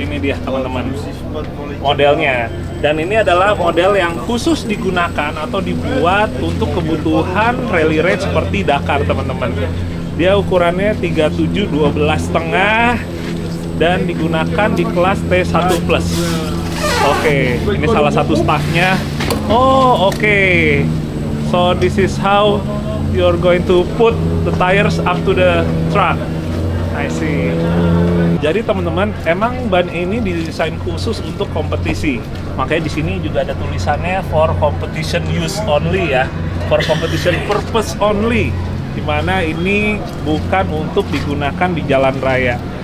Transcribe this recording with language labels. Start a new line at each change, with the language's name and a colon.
Indonesian: Ini dia, teman-teman, modelnya. Dan ini adalah model yang khusus digunakan atau dibuat untuk kebutuhan rally race seperti Dakar, teman-teman. Dia ukurannya 37 12,5 dan digunakan di kelas T1+. Oke, okay, ini salah satu staffnya. Oh, oke. Okay.
English: So this is how you're going to put the tires up to the truck. I see.
Indonesian: Jadi teman-teman, emang ban ini didesain khusus untuk kompetisi. Makanya di sini juga ada tulisannya
English: for competition use only
Indonesian: ya,
English: for competition purpose only.
Indonesian: Dimana ini bukan untuk digunakan di jalan raya.